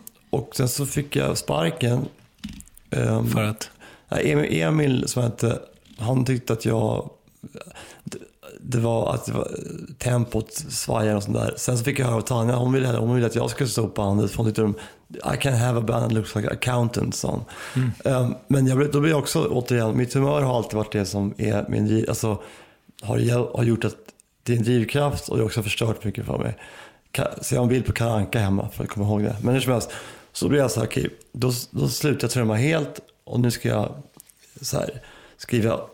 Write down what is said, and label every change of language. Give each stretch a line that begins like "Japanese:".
Swedish: Och sen så fick jag sparken. För att? Emil som hette, han tyckte att jag, det var att det var tempot svajade och sånt där. Sen så fick jag höra av Tanya, hon ville att jag skulle stå på bandet. Hon tyckte att
English: I can't have a band that looks like an accountant. Mm.
Swedish: Men jag, då blir jag också, återigen, mitt humör har alltid varit det som är min, alltså har gjort att det är en drivkraft, och det har också förstört mycket för mig. Så jag har en bild på Karanka hemma för att komma ihåg det. Men hur som helst, så blir jag så här, okay, då slutar jag trumma helt och nu ska jag så här skriva.